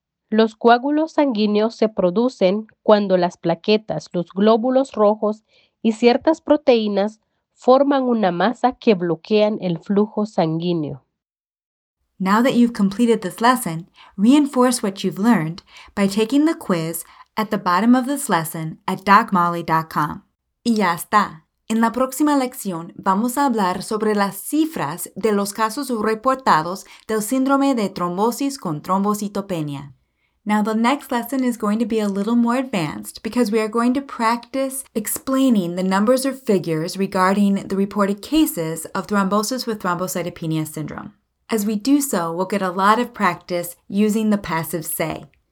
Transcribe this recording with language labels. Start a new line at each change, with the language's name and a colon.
Spanish: Los coágulos sanguíneos se producen cuando las plaquetas, los glóbulos rojos y ciertas proteínas forman una masa que bloquean el flujo sanguíneo.
English: Now that you've completed this lesson, reinforce what you've learned by taking the quiz at the bottom of this lesson at docmolly.com.
Spanish: Y ya está. En la próxima lección vamos a hablar sobre las cifras de los casos reportados del síndrome de trombosis con trombocitopenia.
English: Now, the next lesson is going to be a little more advanced because we are going to practice explaining the numbers or figures regarding the reported cases of thrombosis with thrombocytopenia syndrome. As we do so, we'll get a lot of practice using the passive say.